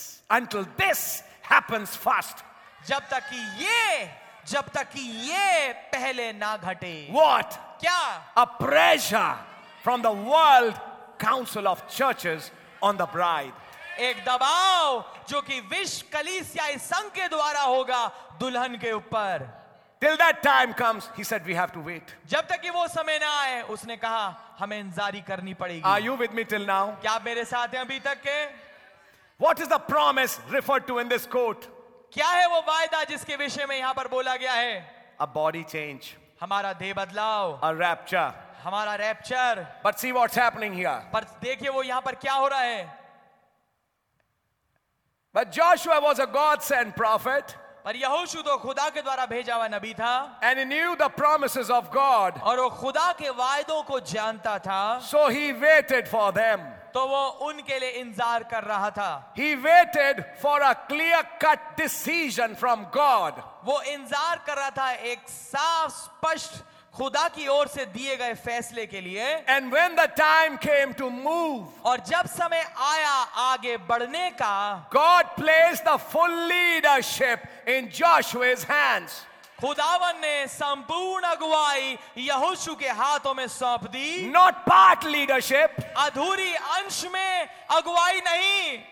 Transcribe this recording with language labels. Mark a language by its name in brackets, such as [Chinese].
[English] Until this happens fast. [Hindi] जब तक कि ये पहले ना घटे [English] What? [Hindi] क्या [English] A pressure from the World Council of Churches on the bride. [Hindi] एक दबाव जो कि विश्व कलीसिया संघ के द्वारा होगा दुल्हन के ऊपर [English] Till that time comes, he said, we have to wait. [Hindi] जब तक कि वो समय ना आए उसने कहा हमें इंतजारी करनी पड़ेगी [English] Are you with me till now? [Hindi] क्या आप मेरे साथ हैं अभी तक के [English] What is the promise referred to in this quote? [Hindi] क्या है वो वायदा जिसके विषय में यहां पर बोला गया है [English] a body change [Hindi] हमारा देह बदलाव [English] a rapture [Hindi] हमारा rapture [English] but see what's happening here [Hindi] पर देखिए वो यहां पर क्या हो रहा है [English] but Joshua was a God sent prophet [Hindi] पर यहोशू तो खुदा के द्वारा भेजा हुआ नबी था [English] and he knew the promises of God [Hindi] और वो खुदा के वायदों को जानता था [English] so he waited for them [Hindi] तो वो उनके लिए इंतजार कर रहा था [English] He waited for a clear-cut decision from God. [Hindi] वो इंतजार कर रहा था एक साफ स्पष्ट खुदा की ओर से दिए गए फैसले के लिए [English] And when the time came to move, [Hindi] और जब समय आया आगे बढ़ने का [English] God placed the full leadership in Joshua's hands. [Hindi] खुदावन ने संपूर्ण अगुवाई यहोशू के हाथों में सौंप दी [English] not part leadership [Hindi] अधूरी अंश में अगुवाई नहीं